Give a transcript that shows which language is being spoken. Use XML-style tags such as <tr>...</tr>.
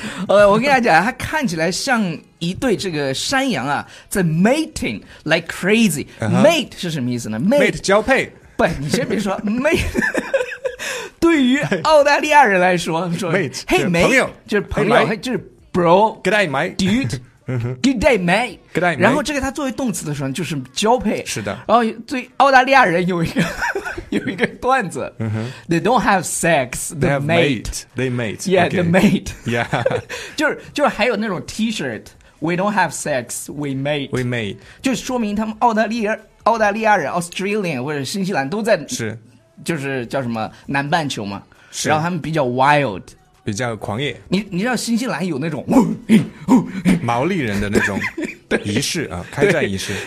<zh>我跟大家讲，它看起来像一对这个山羊啊，在</zh> <en>mating like crazy。</en> <zh>Mate 是什么意思呢？Mate 交配。不，你先别说 mate。对于澳大利亚人来说，说</zh> <en>mate，嘿、hey, mate，</en> <zh>朋友就是朋友，就是 bro。</zh> <en>Good day, mate。 Dude。 Good day, mate。 Good day。</en> <zh>然后这个它作为动词的时候，就是交配。是的。然后对澳大利亚人有一个段子、</zh> <en>They don't have sex, they have mate. They mate. Yeah,、 okay. the mate. Yeah.</en> <zh>就是还有那种</zh> <en>T-shirt, we don't have sex, we mate. We mate.</en> <zh>就说明他们澳大利亚人 Australian 或者新西兰都在是就是叫什么南半球嘛，是，然后他们比较 wild, 比较狂野。你知道新西兰有那种毛利人的那种仪式啊，开战仪式，</zh>